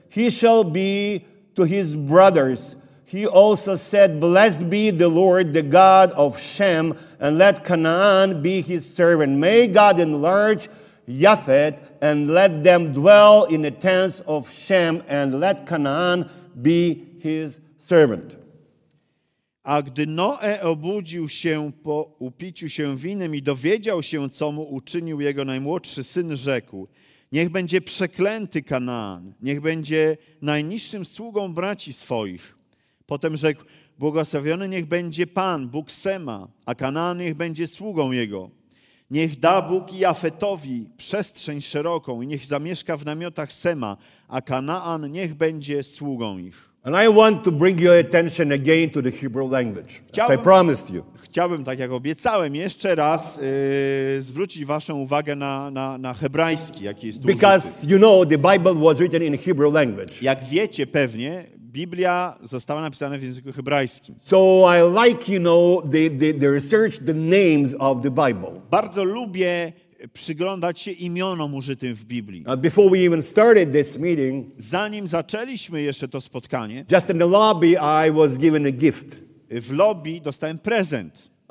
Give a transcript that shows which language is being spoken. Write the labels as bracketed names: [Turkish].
[English] He shall be to his brothers. He also said, blessed be the Lord, the God of Shem, and let Canaan be his servant. May God enlarge Japheth, and let them dwell in the tents of Shem, and let Canaan be his servant. [Polish] A gdy Noe obudził się po upiciu się winem i dowiedział się, co mu uczynił jego najmłodszy syn, rzekł, niech będzie przeklęty Kanaan, niech będzie najniższym sługą braci swoich. Potem rzekł, błogosławiony niech będzie Pan, Bóg Sema, a Kanaan niech będzie sługą jego. Niech da Bóg Jafetowi przestrzeń szeroką i niech zamieszka w namiotach Sema, a Kanaan niech będzie sługą ich. [English] And I want to bring your attention again to the Hebrew language, as I promised you. [Polish] Chciałbym, tak jak obiecałem, jeszcze raz zwrócić waszą uwagę na hebrajski, jaki jest użyty. [English] Because you know the Bible was written in Hebrew language. [Polish] Jak wiecie pewnie, Biblia została napisana w języku hebrajskim. [English] So I like, you know, the research the names of the Bible. [Polish] Bardzo lubię przyglądać się imionom użytym w Biblii. [English] Before we even started this meeting, [Polish] zanim zaczęliśmy jeszcze to spotkanie, [English] just in the lobby I was given a gift. [Polish] W lobby dostałem prezent.